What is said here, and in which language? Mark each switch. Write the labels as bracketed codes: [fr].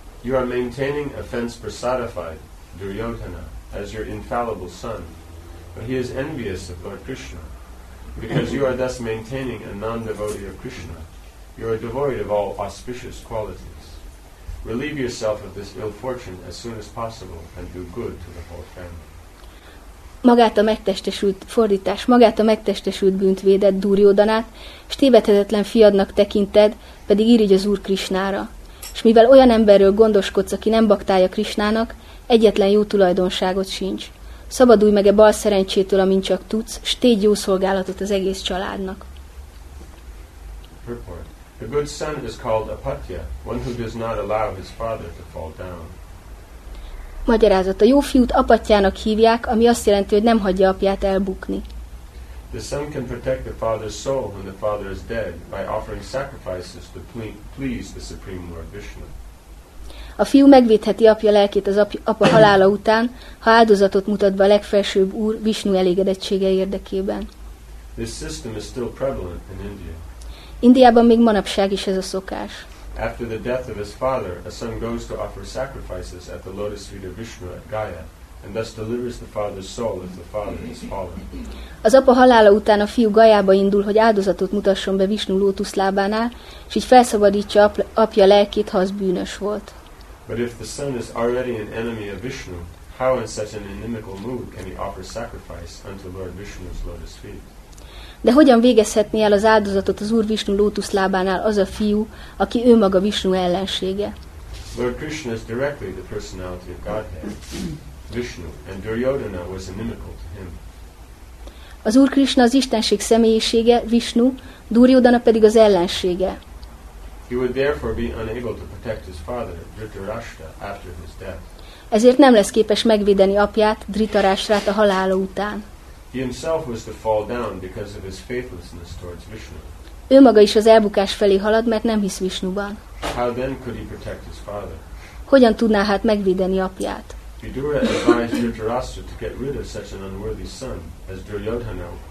[en] You are maintaining offense personified, Duryodhana, as your infallible son, but he is envious of Lord Krishna. Because you are thus maintaining a non-devotee of Krishna, you are devoid of all auspicious qualities. Relieve yourself of this ill fortune as soon as possible and do good to the whole family. [hu] Magát a megtestesült, fordítás, magát a megtestesült bűnt védett Duryodhanát, s tévedhetetlen fiadnak tekinted, pedig irigy az Úr Krisnára. És mivel olyan emberről gondoskodsz, aki nem baktálja Krisnának, egyetlen jó tulajdonságot sincs. Szabadulj meg a bal szerencsétől, amint csak tudsz, s tégy jó szolgálatot az egész családnak. [en] A good son is called apatya, one who does not allow his father to fall down. [hu] Magyarázat, a jó fiút apatjának hívják, ami azt jelenti, hogy nem hagyja apját elbukni. [en] The son can protect the father's soul when the father is dead by offering sacrifices to please the Supreme Lord Vishnu. [hu] A fiú megvédheti apja lelkét az apa halála után, ha áldozatot mutat be a legfelsőbb úr Vishnu elégedettsége érdekében. [en] This system is still prevalent in India. [hu] Indiában még manapság is ez a szokás. [en] After the death of his father, a son goes to offer sacrifices at the lotus feet of Vishnu at Gaya, and thus delivers the father's soul if the father has fallen. [hu] Az apa halála után a fiú Gajába indul, hogy áldozatot mutasson be Vishnu lótuszlábánál, és így felszabadítsa apja lelkét, ha az bűnös volt. [en] But if the son is already an enemy of Vishnu, how in such an inimical mood can he offer sacrifice unto Lord Vishnu's lotus feet? [hu] De hogyan végezhetné el az áldozatot az Úr Vishnu lótuszlábánál az a fiú, aki ő maga Vishnu ellensége? [en] Lord Krishna is directly the personality of Godhead, Vishnu, and Duryodhana was inimical to him. [hu] Az Úr Krishna az istenség személyisége, Vishnu, Duryodhana pedig az ellensége. [en] He would therefore be unable to protect his father, Dhritarashtra, after his death. [hu] Ezért nem lesz képes megvédeni apját, Dhritarashtrát a halála után. [en] He himself was to fall down because of his faithlessness towards Vishnu. [hu] Ő maga is az elbukás felé halad, mert nem hisz Vishnuban. [en] How then could he protect his father? [hu] Hogyan tudná hát megvédeni apját? [en] Vidura advised Dhritarashtra to get rid of such an unworthy son as Duryodhana.